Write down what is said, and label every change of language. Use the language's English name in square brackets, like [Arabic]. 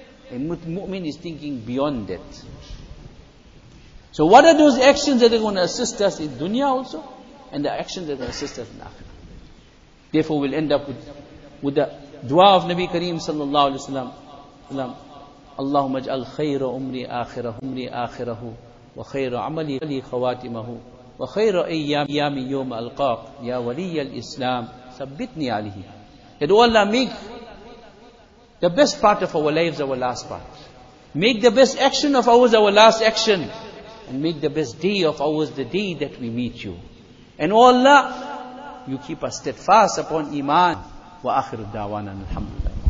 [English] A mu'min is thinking beyond death. So what are those actions that are going to assist us in dunya also? And the actions that are going to assist us in akhirah. Therefore we'll end up with the dua of Nabi Kareem sallallahu alayhi wa sallam. [Arabic] Allahumma aj'al khayra umri akhirahu. وخير عملي خواتمه وخير أيام يوم ألقاك يا ولي الإسلام ثبتني عليه. [English] It all make the best part of our lives our last part. Make the best action of ours our last action. And make the best day of ours the day that we meet you. And O Allah, you keep us steadfast upon Iman. [Arabic] وآخر الدعوانا الحمد لله.